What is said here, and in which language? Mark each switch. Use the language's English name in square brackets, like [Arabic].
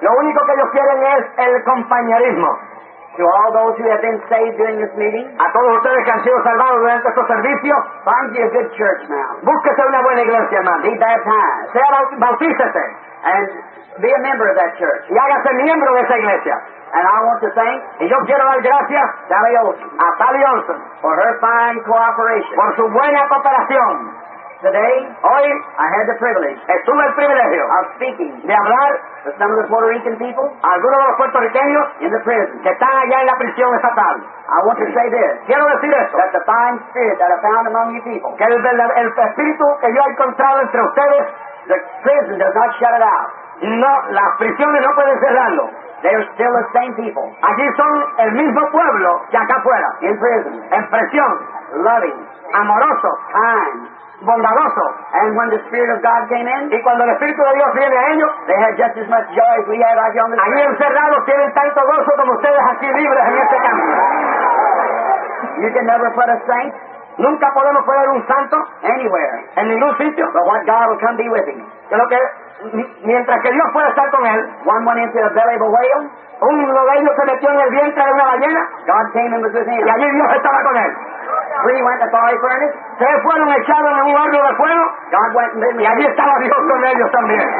[Spanish] Lo único que ellos quieren es el compañerismo. [English] To all those who have been saved during this meeting. [Spanish] A todos ustedes que han sido salvados durante estos servicios. [English] Find you a good church now. [Spanish] Búsquese una buena iglesia, hermano. [English] Be baptized. [Spanish] Sea bautízate. [English] And be a member of that church. [Spanish] Y hágase miembro de esa iglesia. [English] And I want to thank, [Spanish] y yo quiero dar gracias, [English] Sally Olson, a Sally Olson, for her fine cooperation, [Spanish] por su buena cooperación. [English] Today, [Spanish] hoy, [English] I had the privilege, [Spanish] estuve el privilegio, [English] of speaking, [Spanish] de hablar, [English] to some of the Puerto Rican people, [Spanish] algunos de los puertorriqueños, [English] in the prison, [Spanish] que están allá en la prisión estatal. [English] I want to say this, [Spanish] quiero decir esto, [English] that the fine spirit that I found among you people, [Spanish] que el espíritu que yo he encontrado entre ustedes, [English] the prison does not shut it out. [Spanish] No, las prisiones no pueden cerrarlo. [English] They are still the same people. [Spanish] Allí son el mismo pueblo que acá afuera. [English] In prison. [Spanish] En prisión. [English] Loving. [Spanish] Amoroso. [English] Kind. [Spanish] Bondadoso. [English] And when the Spirit of God came in, [Spanish] y cuando el Espíritu de Dios viene a ellos, [English] they had just as much joy as we had out here on the street. [Spanish] Allí encerrados tienen tanto gozo como ustedes aquí libres en este campo. [English] You can never put a saint. [Spanish] Nunca podemos poner un santo [English] anywhere. [Spanish] En ningún sitio. [English] But what God will come be with him. [Spanish] Yo lo que mientras que Dios pueda estar con él, [English] one went into the belly of a whale, [Spanish] uno de ellos se metió en el vientre de una ballena, [English] God came and was with him. [Spanish] Y allí Dios estaba con él. [English] Three went to fire furnace, [Spanish] tres fueron echados en un horno de fuego, [English] God went and lived. [Spanish] Y allí estaba Dios con ellos también.